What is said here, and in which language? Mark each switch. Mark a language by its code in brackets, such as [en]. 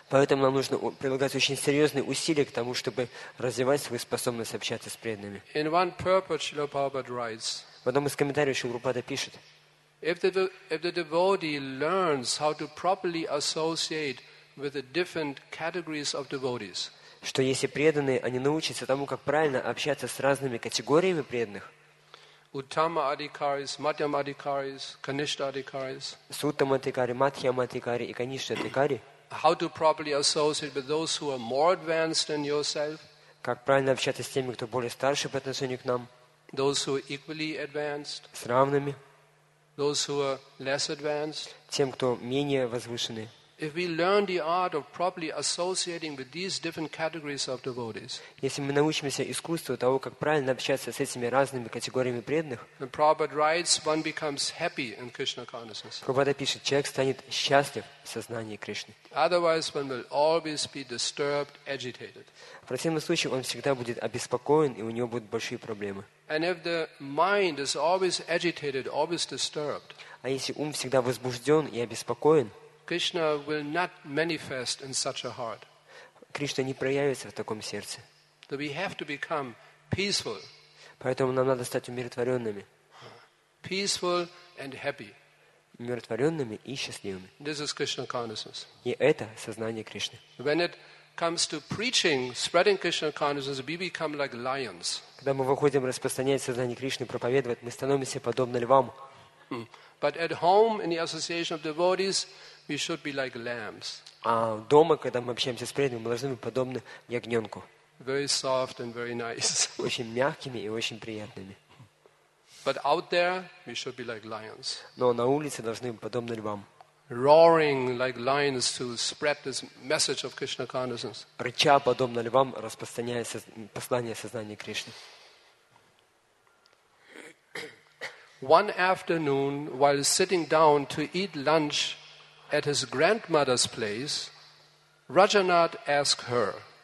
[ru] Поэтому нам нужно прилагать очень серьезные усилия к тому, чтобы развивать свою способность общаться с преданными. [en] In one purport, Srila Prabhupada writes. [ru] В одном из комментариев Шрила Прабхупада пишет. [en] If the devotee learns how to properly associate with the different categories of devotees. [ru] Что если преданные, они научатся тому, как правильно общаться с разными категориями преданных. [en] Uttama adhikaris, Madhyam adhikaris, Kanishtha adhikaris. Suttam adhikari, Madhyam adhikari, and Kanishtha adhikari. How to properly associate with those who are more advanced than yourself? [ru] Как правильно общаться с теми, кто более старше по отношению к нам? [en] Those who are equally advanced. [ru] С равными. [en] Those who are less advanced. [ru] Тем, кто менее возвышенный. [en] If we learn the art of properly associating with these different categories of devotees, [ru] если мы научимся искусству того, как правильно общаться с этими разными категориями преданных, [en] the Prabhupada writes, one becomes happy in Krishna consciousness. [ru] Прабхупада пишет, человек станет счастлив в сознании Кришны. [en] Otherwise, one will always be disturbed, agitated. [ru] В противном случае он всегда будет обеспокоен и у него будут большие проблемы. [en] And if the mind is always agitated, always disturbed, [ru] а если ум всегда возбужден и обеспокоен, [en] Krishna will not manifest in such a heart. [ru] Кришна не проявится в таком сердце. [en] So we have to become peaceful. [ru] Поэтому нам надо стать умиротворенными. [en] Peaceful and happy. [ru] Умиротворенными и счастливыми. [en] This is Krishna consciousness. [ru] И это сознание Кришны. [en] When it comes to preaching, spreading Krishna consciousness, we become like lions. [ru] Когда мы выходим распространять сознание Кришны, проповедовать, мы становимся подобно львам. [en] But at home, in the association of devotees, we should be like lambs. [ru] А дома, когда мы общаемся с преданными, мы должны быть подобны ягненку. [en] Very soft and very nice. [ru] Очень мягкими и очень приятными. [en] But out there, we should be like lions. [ru] Но на улице должны быть подобны львам. [en] Roaring like lions to spread this message of Krishna consciousness. [ru] Рыча подобно львам, распространяя послание сознания Кришны. [en] One afternoon, while sitting down to eat lunch at his grandmother's place, Rajanath asked her.